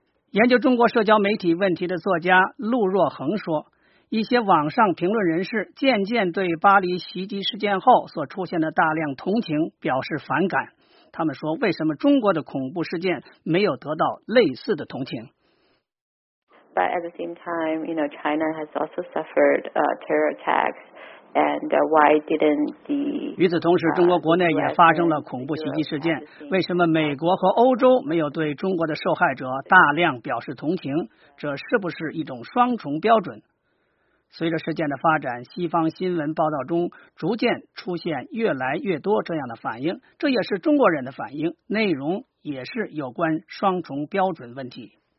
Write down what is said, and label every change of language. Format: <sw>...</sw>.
<zh>研究中国社交媒体问题的作家陆若恒说，一些网上评论人士渐渐对巴黎袭击事件后所出现的大量同情表示反感。他们说，为什么中国的恐怖事件没有得到类似的同情？</zh> <en>But at the same time, you know, China has also suffered terror attacks, and why didn't the</en> <zh>与此同时，中国国内也发生了恐怖袭击事件。为什么美国和欧洲没有对中国的受害者大量表示同情？这是不是一种双重标准？随着事件的发展，西方新闻报道中逐渐出现越来越多这样的反应，这也是中国人的反应，内容也是有关双重标准问题。</zh>